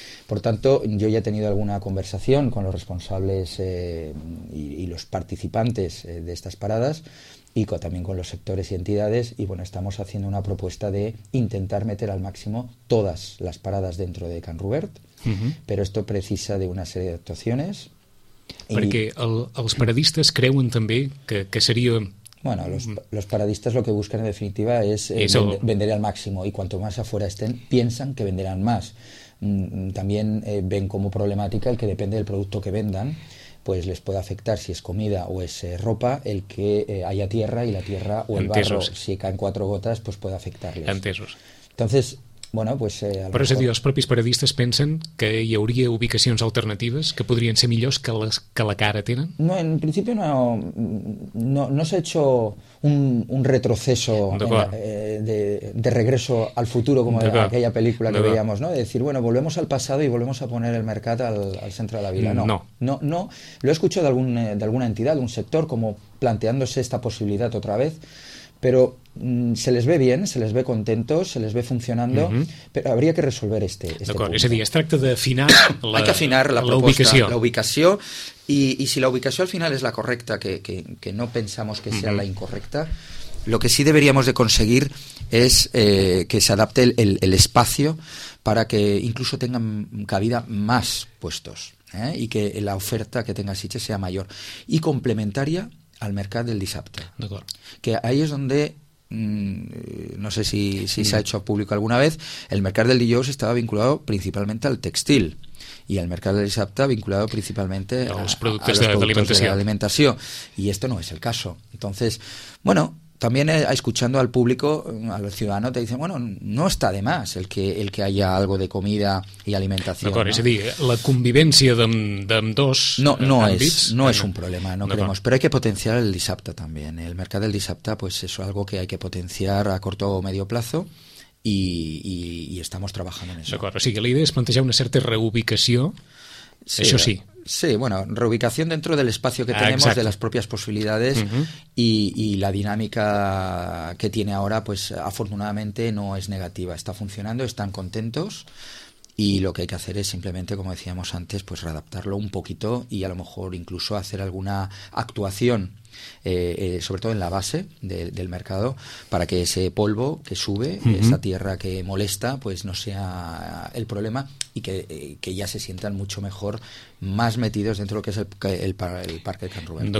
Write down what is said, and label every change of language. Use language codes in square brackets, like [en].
[es] Por tanto, yo ya he tenido alguna conversación con los responsables y los participantes de estas paradas, y también con los sectores y entidades, y bueno, estamos haciendo una propuesta de intentar meter al máximo todas las paradas dentro de Can Robert, pero esto precisa de una serie de actuaciones. [ca] Perquè els paradistes creuen també que seria [es] Bueno, los paradistas lo que buscan en definitiva es vender al máximo, y cuanto más afuera estén, piensan que venderán más. También ven como problemática el que, depende del producto que vendan, pues les puede afectar, si es comida o es ropa, el que haya tierra, y la tierra o el barro, si caen cuatro gotas, pues puede afectarles. [ca] Entesos. [es] Entonces, bueno, pues... [ca] Però és a dir, els propis periodistes pensen que hi hauria ubicacions alternatives que podrien ser millors que les que la cara tenen? [es] No, en principio no se ha hecho un retroceso de regreso al futuro, como de aquella película que veíamos, ¿no? De decir, bueno, volvemos al pasado y volvemos a poner el mercat al centro de la vila. No. Lo he escuchado de alguna entidad, de un sector, como planteándose esta posibilidad otra vez, pero se les ve bien, se les ve contentos, se les ve funcionando, pero habría que resolver este punto. [ca] És a dir, es tracta d'afinar [es] hay que afinar [ca] la proposta, la ubicació, [es] y si [ca] la ubicació al final és la correcta, [es] que no pensamos que sea la incorrecta, lo que sí deberíamos de conseguir es que se adapte el espacio para que incluso tengan cabida más puestos, y que la oferta que tenga Sitges sea mayor y complementaria al mercat del dissabte. Que ahí es donde no sé si se ha hecho público alguna vez, el mercat del dijous estava vinculado principalmente al textil, y el mercat del dissabte vinculado principalmente [ca] als productes d'alimentació. [es] Y esto no es el caso. Entonces, bueno, también escuchando al público, al ciudadano, te dicen, bueno, no está de más el que haya algo de comida y alimentación. [ca] D'acord, és a dir, la convivència d'ambdós... No és un problema, [es] no creemos. Pero hay que potenciar el dissabte también. El mercat del dissabte, pues eso es algo que hay que potenciar a corto o medio plazo, y estamos trabajando en eso. [ca] D'acord, o sigui, la idea és plantejar una certa reubicació, sí, això sí. [es] Sí, bueno, reubicación dentro del espacio que tenemos, exacto, de las propias posibilidades, y la dinámica que tiene ahora, pues afortunadamente no es negativa, está funcionando, están contentos, y lo que hay que hacer es simplemente, como decíamos antes, pues readaptarlo un poquito y a lo mejor incluso hacer alguna actuación, sobre todo en la base del mercado, para que ese polvo que sube, esa tierra que molesta, pues no sea el problema, y que ya se sientan mucho mejor, más metidos dentro de lo que es el Parque de Can Rubén.